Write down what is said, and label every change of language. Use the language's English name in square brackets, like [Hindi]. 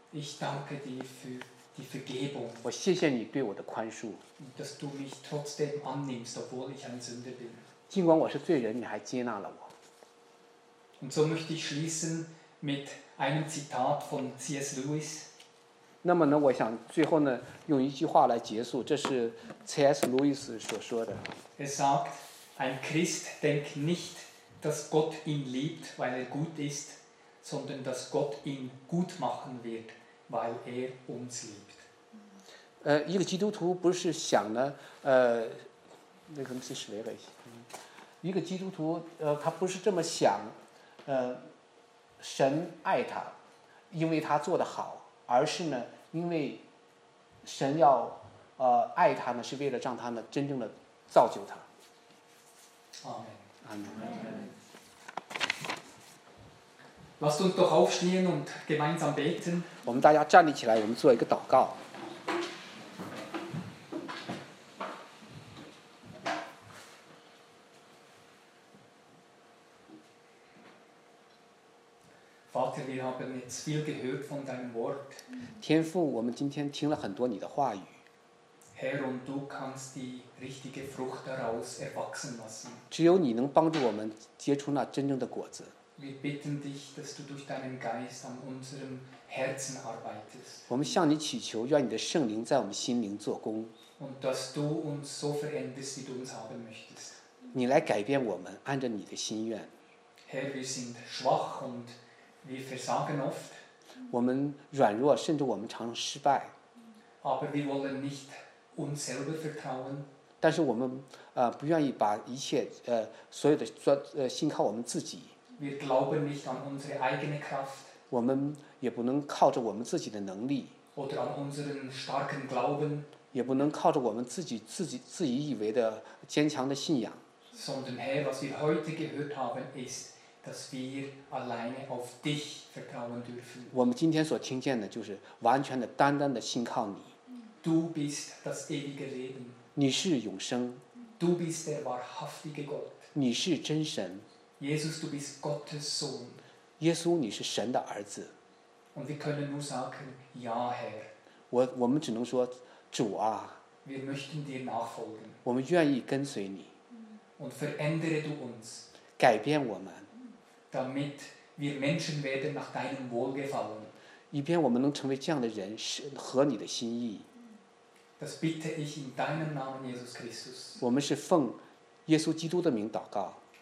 [German] Ich danke dir für die Vergebung. [Chinese] 我谢谢你对我的宽恕。 [German] Dass du mich trotzdem annimmst, obwohl ich ein Sünder bin. [Chinese] 尽管我是罪人，你还接纳了我。 [German] Und so möchte ich schließen. Mit einem Zitat von C.S. Lewis. [Chinese] 那么呢，我想最后呢，用一句话来结束。这是 C.S. Lewis 所说的。 [German] Er sagt, ein Christ denkt nicht, dass Gott ihn liebt, weil er gut ist, sondern dass Gott ihn gut machen wird, weil er uns liebt. [Chinese] 一个基督徒不是想呢，那个是谁来？一个基督徒，他不是这么想，神爱他，因为他做得好，而是呢，因为神要爱他呢，是为了让他呢真正的造就他。 [German] Amen. Lasst uns doch aufstehen und gemeinsam beten. [Chinese] 我们大家站立起来，我们做一个祷告。 [German] Wir haben jetzt viel gehört von deinem Wort. [Chinese] 天父，我们今天听了很多你的话语。 [German] Herr, und du kannst die richtige Frucht daraus erwachsen lassen. [Chinese] 只有你能帮助我们结出那真正的果子。 [German] Wir bitten dich, dass du durch deinen Geist an unserem Herzen arbeitest. [Chinese] 我们向你祈求，愿你的圣灵在我们心灵做工。 [German] Und dass du uns so veränderst, wie du uns haben möchtest. [Chinese] 你来改变我们，按着你的心愿。 [German] Herr, wir sind schwach und Wir versagen oft. [Chinese] 我们软弱，甚至我们常失败。 [German] Aber wir wollen nicht uns selber vertrauen. [Chinese] 但是我们不愿意把一切所有的信靠我们自己。 [German] Wir glauben nicht an unsere eigene Kraft. [Chinese] 我们也不能靠着我们自己的能力。 [German] Oder an unseren starken Glauben. [Chinese] 也不能靠着我们自己以为的坚强的信仰。 [German] Sondern Herr, was wir heute gehört haben, ist, dass wir alleine auf dich vertrauen dürfen. [Chinese] 我们今天所听见的就是完全的、单单的信靠你。 [German] Du bist das ewige Leben. [Chinese] 你是永生。 [German] Du bist der wahrhaftige Gott. [Chinese] 你是真神。 [German] Jesus, du bist Gottes Sohn. [Chinese] 耶稣，你是神的儿子。 [German] Und wir können nur sagen, ja, Herr. [Chinese] 我们只能说主啊。 [German] Wir möchten dir nachfolgen. [Chinese] 我们愿意跟随你。 [German] Und verändere du uns. [Chinese] 改变我们。 [German] Damit wir Menschen werden nach deinem Wohlgefallen. [Chinese] 以便我们能成为这样的人，合你的心意。 [German] Das bitte ich in deinem Namen, Jesus Christus. [Chinese] 我们是奉耶稣基督的名祷告。